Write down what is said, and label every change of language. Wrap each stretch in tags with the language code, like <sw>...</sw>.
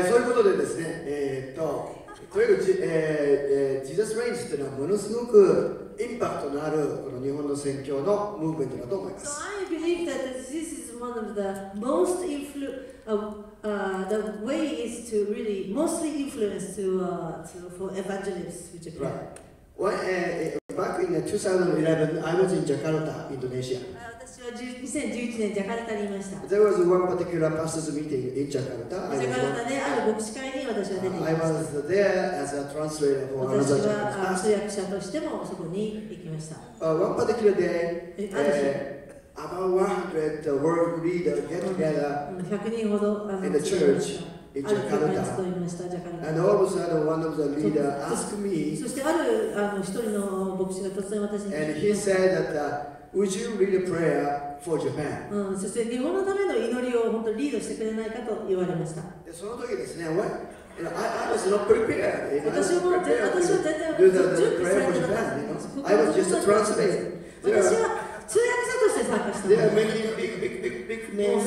<ja>そういうことでですね、とにかく、ジーザスレインズというのはものすごくインパクトのあるこの日本の宣教のムーブメントだと思います。</ja> <en>So I believe that this is one of the most the way is to really mostly influence for evangelists to Japan. Right. Back in 2011, I was in Jakarta, Indonesia.</en> <ja>2011年, ジャカルタにいました。</ja> <en>There was one particular pastors meeting in Jakarta.</en> <ja>ジャカルタね、ある牧師会に私は出ていました。</ja> <en>I was there as a translator for another Japanese pastor.</en> <ja>私は通訳者としてもそこに行きました。</ja> <en>One particular day, about 100 world leaders get together in the church in Jakarta. And all of a sudden, one of the leaders asked me, and he said that, would you lead a prayer for Japan?</en> <ja>そして日本のための祈りを本当にリードしてくれないかと言われました。でその時ですね、</ja> <en>what? You know, I was not prepared. You know,</en> <ja>私は全然準備されてなかったんです。</ja> <en>I was just a translator.</en> <ja>私は通訳者として参加してます。</ja> <en>They are making big names.</en>